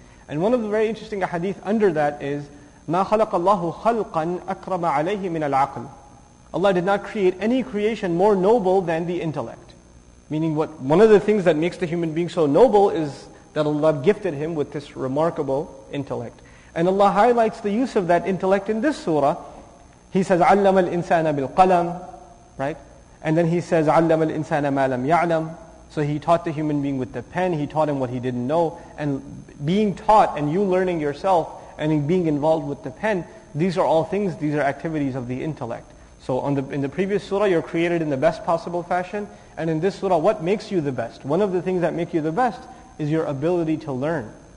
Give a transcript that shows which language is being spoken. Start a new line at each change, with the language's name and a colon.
English: And one of the very interesting hadith under that is,
Arabic: مَا خَلَقَ اللَّهُ خَلْقًا أَكْرَمَ عَلَيْهِ مِنَ الْعَقْلِ.
English: Allah did not create any creation more noble than the intellect. Meaning what? One of the things that makes the human being so noble is that Allah gifted him with this remarkable intellect. And Allah highlights the use of that intellect in this surah. He says,
Arabic: عَلَّمَ الْإِنسَانَ بِالْقَلَمِ.
English: Right? And then He says,
Arabic: عَلَّمَ الْإِنسَانَ مَا لَمْ يَعْلَمُ.
English: So He taught the human being with the pen, He taught him what he didn't know. And being taught and you learning yourself and being involved with the pen, these are all things, these are activities of the intellect. So in the previous surah, you're created in the best possible fashion. And in this surah, what makes you the best? One of the things that make you the best is your ability to learn.